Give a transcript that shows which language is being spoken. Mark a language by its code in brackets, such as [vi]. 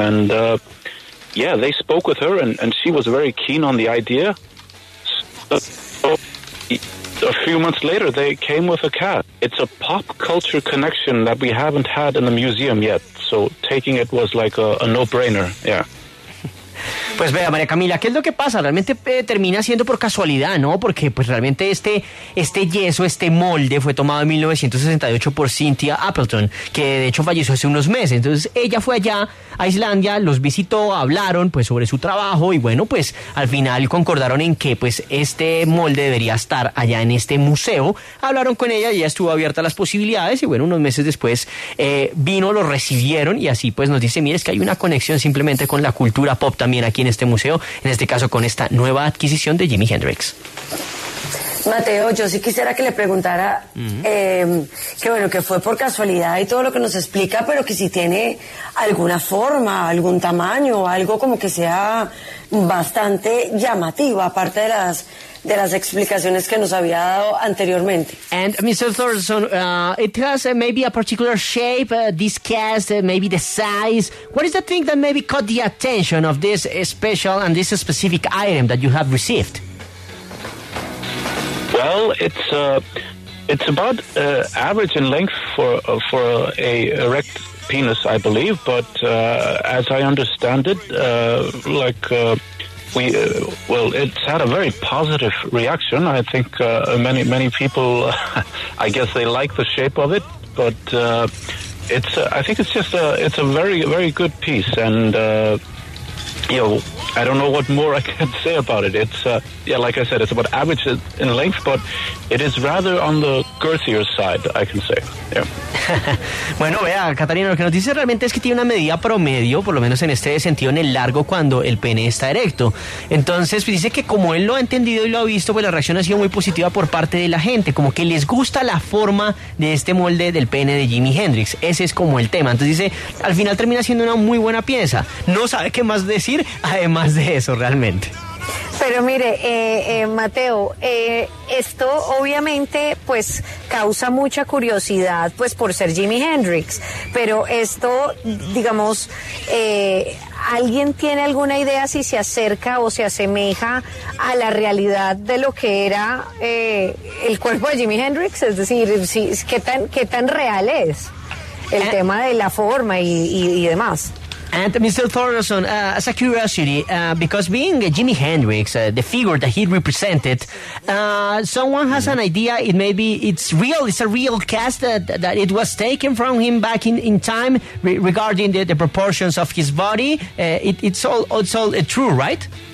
[en] And yeah, they spoke with her, and she was very keen on the idea. So a few months later, they came with a cat. It's a pop culture connection that we haven't had in the museum yet, so taking it was like a no-brainer, yeah. [es] Pues vea, María Camila, ¿qué es lo que pasa? Realmente termina siendo por casualidad, ¿no? Porque pues realmente este yeso, este molde fue tomado en 1968 por Cynthia Appleton, que de hecho falleció hace unos meses. Entonces ella fue allá a Islandia, los visitó, hablaron pues sobre su trabajo y bueno, pues al final concordaron en que pues este molde debería estar allá en este museo. Hablaron con ella y ella estuvo abierta a las posibilidades y bueno, unos meses después vino, lo recibieron y así pues nos dice, mire, es que hay una conexión simplemente con la cultura pop también aquí en este museo, en este caso con esta nueva adquisición de Jimi Hendrix. Mateo, yo sí quisiera que le preguntara, que bueno, que fue por casualidad y todo lo que nos explica, pero que si tiene alguna forma, algún tamaño, algo como que sea bastante llamativo, aparte de las explicaciones que nos había dado anteriormente. [en] And Mr. Thorson, it has maybe a particular shape, this cast, maybe the size. What is the thing that maybe caught the attention of this special and this specific item that you have received? Well, it's about average in length for a erect penis, I believe. But as I understand it, it's had a very positive reaction. I think many people, I guess they like the shape of it. But it's a very very good piece, and you know, I don't know what more I can say about it. It's like I said, it's about average in length, but it is rather on the girthier side, I can say. Yeah. [es] Bueno, vea, Catarina, lo que nos dice realmente es que tiene una medida promedio, por lo menos en este sentido, en el largo cuando el pene está erecto. Entonces, pues dice que como él lo ha entendido y lo ha visto, pues la reacción ha sido muy positiva por parte de la gente, como que les gusta la forma de este molde del pene de Jimi Hendrix. Ese es como el tema. Entonces dice, al final termina siendo una muy buena pieza. No sabe qué más decir, además de eso, realmente. Pero mire, Mateo, esto obviamente pues causa mucha curiosidad pues por ser Jimi Hendrix, pero esto, digamos, ¿alguien tiene alguna idea si se acerca o se asemeja a la realidad de lo que era el cuerpo de Jimi Hendrix? Es decir, si, ¿qué tan real es el tema de la forma y demás? [en] And Mr. Thorson, as a curiosity, because being Jimi Hendrix, the figure that he represented, someone has an idea, it maybe it's real, it's a real cast that it was taken from him back in time regarding the proportions of his body. It's all true, right?